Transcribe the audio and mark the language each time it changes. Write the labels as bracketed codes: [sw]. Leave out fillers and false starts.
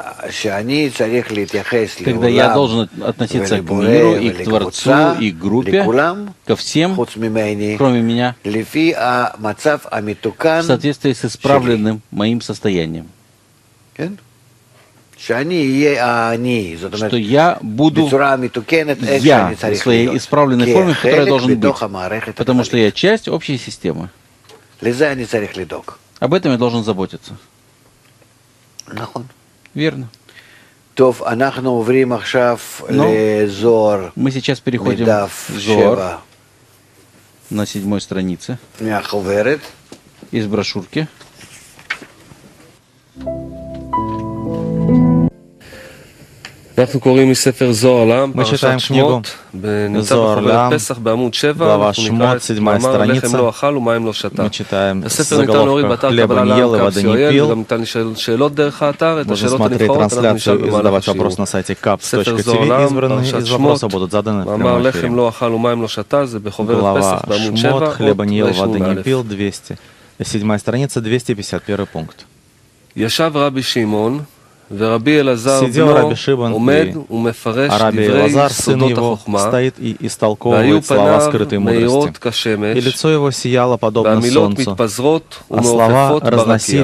[he] שאני צריך להתייחס לעולם. [ru] Когда я должен относиться к миру и к творцу и к группе, ко всем, кроме меня, [he] לפי המצב המתוקן, [ru] в соответствии с исправленным моим состоянием. [he] כן? שאני יהיה אני, זאת אומרת, [ru] что я буду [he] בצורה המתוקנת, [ru] я в своей исправленной форме, в которой я должен быть, [he] המערכת, [ru] потому что я часть общей системы. [he] לזה אני צריך לדאוג. [ru] Об этом я должен заботиться. [he] נכון. [ru] Верно. [he] טוב, אנחנו עוברים עכשיו לזוהר. [ru] Мы сейчас переходим в Зоар. На седьмой странице. [he] מהחוברת. [ru] Из брошюрки. [he] אנחנו קוראים מספר זוהר לעם, פרשת שמות. זוהר לעם, פסח בעמוד 7, [ru] глава שמות, седьмая страница. [he] לחם לא אכל ומים לא שתה. [ru] Мы читаем с заголовка «Хлеба не ел и вода не пил». Можно смотреть трансляцию и задавать вопрос на сайте kaps.tv. Избранные из вопросов будут заданы в прямом эфире. [he] «Лехем ло ахал умаем ло шата» – [ru] это [he] беховерет песах бамут 7. [ru] Глава «Шмот, хлеба не ел, вода не пил» – 200. Седьмая страница, 251 пункт. [he] «Яшав раби Шимон». ורבי אלעזר בנו עומד ומפרש דברי סודות החוכמה, והיו פניו מאירות כשמש, והמילות מתפזרות ומעופפות ברקיע.